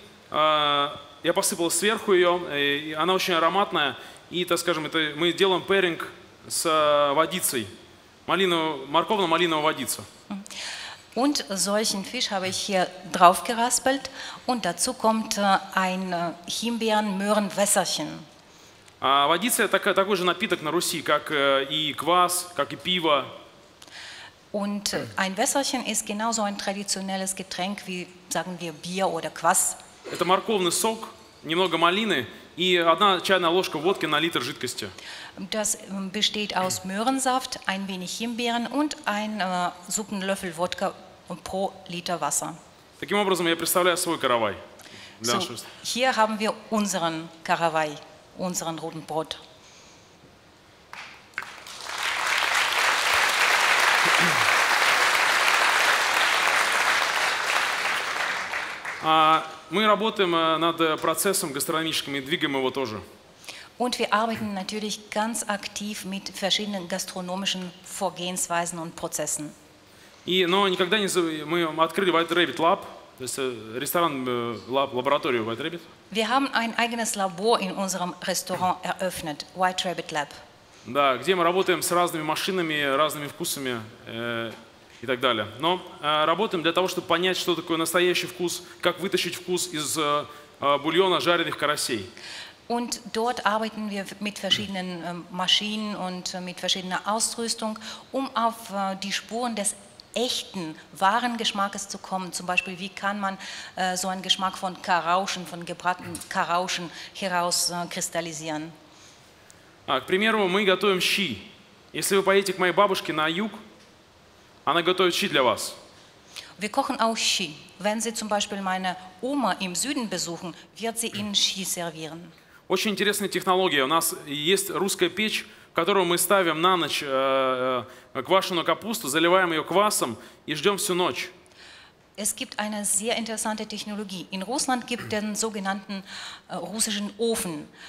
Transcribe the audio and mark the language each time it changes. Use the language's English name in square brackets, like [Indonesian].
[Russian] Я посыпал сверху ее, и она очень ароматная. И, так скажем, это мы делаем пэринг с водицей, морковно-малиновая водица. [German] Und solchen Fisch habe ich hier drauf geraspelt und dazu kommt ein Himbeeren-Möhren-Wässerchen. [Russian] Водица такой же напиток на Руси, как и квас, как и пиво. [German] Und ein Wässerchen ist genauso ein traditionelles Getränk wie, sagen wir, Bier oder Квас. [Russian] Это морковный сок, немного малины и одна чайная ложка водки на литр жидкости. [German] Das besteht aus Möhrensaft, ein wenig Himbeeren und ein Suppenlöffel Wodka pro Liter Wasser. [Russian] Таким образом, я представляю свой каравай. [German] Hier haben wir unseren Karawai, unseren roten Brot. [Russian] Мы работаем над процессом гастрономическим и двигаем его тоже. [German] Und wir arbeiten natürlich ganz aktiv mit verschiedenen gastronomischen Vorgehensweisen und Prozessen. [Russian] Но никогда не мы открыли White Rabbit Lab, то есть ресторан лабораторию White Rabbit. [German] Wir haben ein eigenes Labor in unserem Restaurant eröffnet, White Rabbit Lab. [Russian] Да, где мы работаем с разными машинами, разными вкусами и так далее. Но работаем для того, чтобы понять, что такое настоящий вкус, как вытащить вкус из бульона жареных карасей. [German] Und dort arbeiten wir mit verschiedenen Maschinen und mit verschiedener Ausrüstung, um auf die Spuren des echten, wahren Geschmacks zu kommen. Zum Beispiel, wie kann man so einen Geschmack von Karauschen, von gebratenen Karauschen herauskristallisieren? [Russian] К примеру, мы готовим щи. Если вы поедете к моей бабушке на юг, она готовит щи для вас. [German] Wir kochen auch Ski. Wenn Sie zum Beispiel meine Oma im Süden besuchen, wird sie Ihnen Ski servieren. [Russian] Очень интересная технология. У нас есть русская печь, в которую мы ставим на ночь квашеную капусту, заливаем ее квасом и ждем всю ночь. [German] Es gibt eine sehr interessante Technologie. In Russland gibt es den sogenannten russischen Ofen.